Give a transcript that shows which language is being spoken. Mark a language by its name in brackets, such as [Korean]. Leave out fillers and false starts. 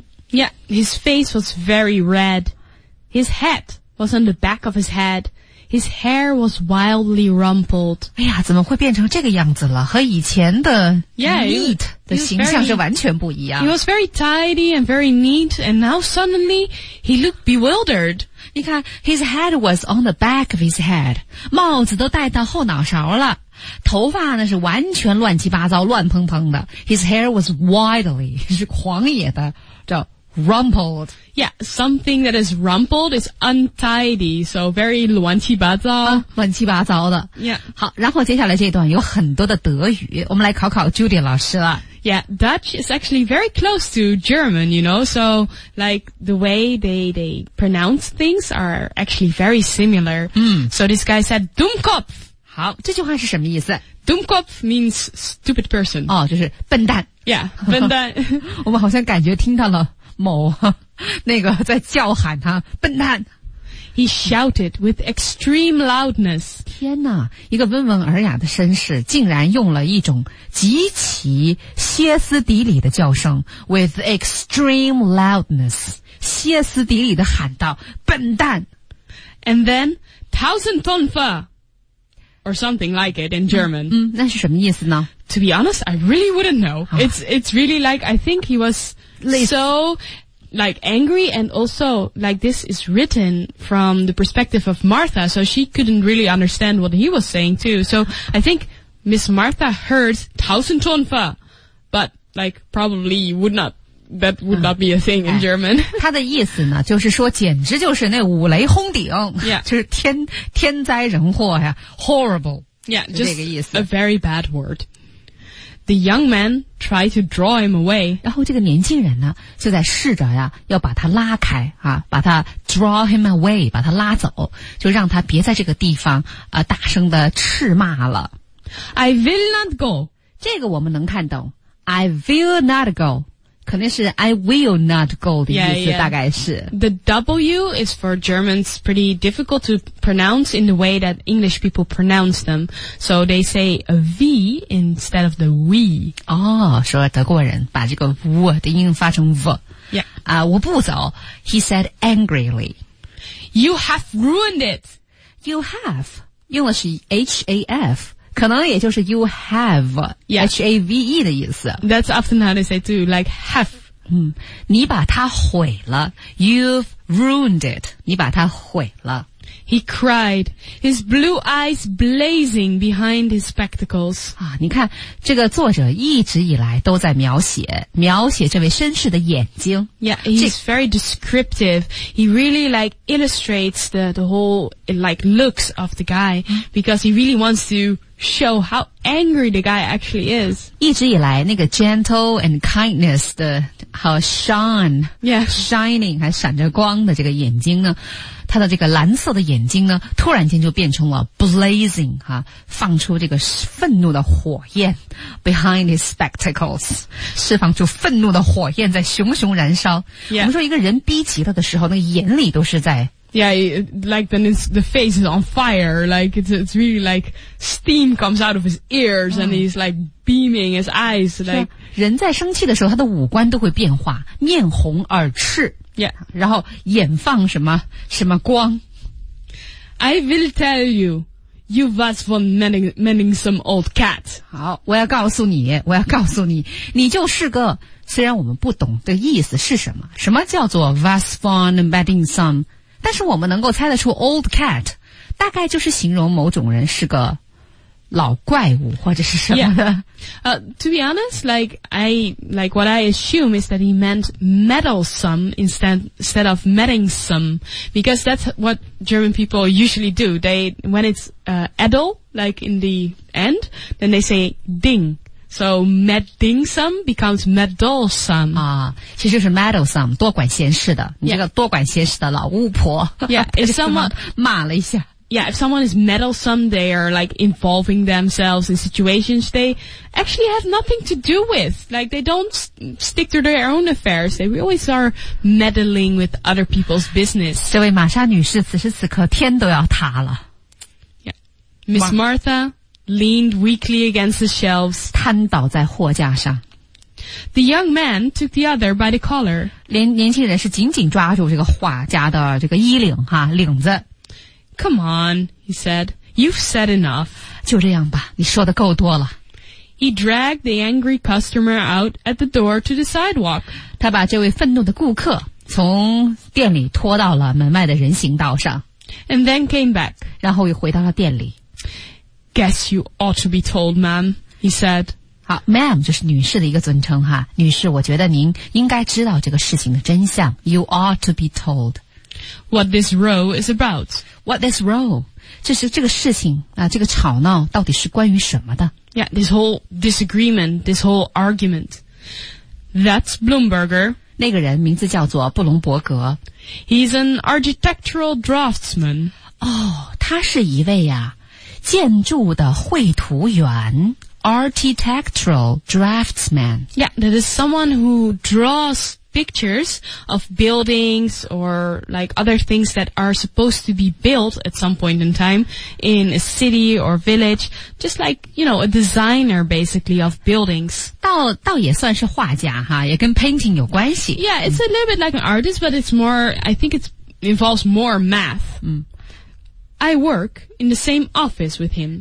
[English] Yeah, his face was very red. His hat was on the back of his head. His hair was wildly rumpled. [Chinese] 哎呀，怎么会变成这个样子了？和以前的 neat 的形象是完全不一样。 [English] He was very tidy and very neat, and now suddenly he looked bewildered. [Chinese] 你看 [English] ，his head was on the back of his head， [Chinese] 帽子都戴到后脑勺了。头发呢是完全乱七八糟乱蓬蓬的 [English] His hair was wildly [Chinese] 是狂野的叫 rumpled [English] Yeah, something that is rumpled is untidy So very [Chinese] 乱七八糟、啊、乱七八糟的 [English] Yeah [Chinese] 好然后接下来这段有很多的德语我们来考考 Judy 老师了 [English] Yeah, Dutch is actually very close to German, you know So like the way they pronounce things are actually very similar、嗯、 So this guy said Dummkopf [Chinese] 好这句话是什么意思 [English] Dummkopf means stupid person. [Chinese] 哦就是笨蛋。 Yeah, 笨蛋。我们好像感觉听到了某那个在叫喊他笨蛋。 [English] He shouted with extreme loudness. [Chinese] 天哪一个温文尔雅的绅士竟然用了一种极其歇斯底里的叫声 [English] with extreme loudness. [Chinese] 歇斯底里的喊道笨蛋。 [English] And then, Tausendtonfer. Or something like it in German. [Chinese] 嗯，那是什么意思呢？ [English] To be honest, I really wouldn't know. It's really like, I think he was so, like, angry and also, like, this is written from the perspective of Martha, so she couldn't really understand what he was saying too. So, I think Miss Martha heard Tausendtonfer, but, like, probably would not, that would not be a thing in German. [Chinese] 他的意思呢，就是说简直就是那五雷轰顶、 [English] yeah. [Chinese] 就是天灾人祸呀 [English] horrible yeah, just a very bad word. The young man tried to draw him away. [Chinese] 然后这个年轻人呢就在试着呀要把他拉开啊，把他 [English] draw him away [Chinese] 把他拉走就让他别在这个地方啊，大声的斥骂了 [English] I will not go [Chinese] 这个我们能看懂 [English] I will not go [Chinese] 肯定是 I will not go 的意思 [English] yeah, yeah. [Chinese] 大概是 [English] The W is for Germans pretty difficult to pronounce in the way that English people pronounce them So they say a V instead of the W [Chinese] 哦说德国人把这个 W 的音发成 V、 [English] yeah. [Chinese] 我不走 [English] He said angrily You have ruined it You have [Chinese] 用的是 H-A-F可能也就是 you have,、 [English] yeah. [Chinese] H-A-V-E 的意思。 [English] That's often how they say too, like have.、 [Chinese] 嗯、你把它毁了。 [English] You've ruined it. [Chinese] 你把它毁了。 [English] He cried, his blue eyes blazing behind his spectacles.、 [Chinese] 啊、你看这个作者一直以来都在描写这位绅士的眼睛。 [English] Yeah, he's very descriptive. He really like illustrates the whole like looks of the guy because he really wants to show how angry the guy actually is. [Chinese] 一直以来那个 [English] gentle and kindness [Chinese] 的好 shine, [English] yeah, [Chinese] shining, 还闪着光的这个眼睛呢，他的这个蓝色的眼睛呢，突然间就变成了 blazing, 哈，放出这个愤怒的火焰 [English] behind his spectacles, [Chinese] 释放出愤怒的火焰在熊熊燃烧。 [English] Yeah. [Chinese] 我们说一个人逼急了的时候，那个眼里都是在 [English] Yeah, like then it's, the face is on fire, like it's really like steam comes out of his ears and he's like beaming his eyes, like. [Chinese] 人在生气的时候他的五官都会变化面红耳赤。 [English] Yeah. [Chinese] 然后眼放什么什么光。 [English] I will tell you, you was for mending some old cat. [Chinese] 好我要告诉你我要告诉你你就是个虽然我们不懂的意思是什么什么叫做 [English] was for mending some, [Chinese] 但是我们能够猜得出 [English] old cat, [Chinese] 大概就是形容某种人是个老怪物或者是什么的。 [English] Yeah. To be honest, like what I assume is that he meant meddlesome instead of meddlesome, because that's what German people usually do. They, when it's, edel, like in the end, then they say ding. So, meddlesome becomes meddlesome. [Chinese] 啊，其实就是 meddlesome, 多管闲事的。你这个多管闲事的老巫婆。 [English] Yeah, if someone, [Chinese] 骂了一下。 [English] Yeah, if someone is meddlesome, they are like involving themselves in situations they actually have nothing to do with. Like, they don't stick to their own affairs. They always are meddling with other people's business. [Chinese] 这位玛莎女士此时此刻天都要塌了。 [English] Yeah. Miss Martha. Leaned weakly against the shelves, [Chinese] 瘫倒在货架上。 [English] The young man took the other by the collar. [Chinese] 年轻人是紧紧抓住这个画家的这个衣领哈领子。 [English] Come on, he said, you've said enough. [Chinese] 就这样吧，你说的够多了。 [English] He dragged the angry customer out at the door to the sidewalk. [Chinese] 他把这位愤怒的顾客从店里拖到了门外的人行道上。 [English] And then came back. [Chinese] 然后又回到了店里。 [English] Guess you ought to be told, ma'am, he said. [Chinese] 好 ,ma'am, 就是女士的一个尊称哈。女士我觉得您应该知道这个事情的真相。 [English] You ought to be told. What this row is about. What this row? [Chinese] 这是这个事情啊这个吵闹到底是关于什么的。 [English] Yeah, this whole disagreement, this whole argument. That's Bloomberger. [Chinese] 那个人名字叫做布隆伯格。 [English] He's an architectural draftsman. [Chinese] 哦他是一位啊。建筑的绘图员 [English] architectural draftsman. Yeah, that is someone who draws pictures of buildings or like other things that are supposed to be built at some point in time in a city or village. Just like, you know, a designer basically of buildings. [Chinese] 倒也算是画家哈，也跟 painting 有关系。 [English] Yeah, it's a little bit like an artist, but it's more, I think it involves more math. I work in the same office with him.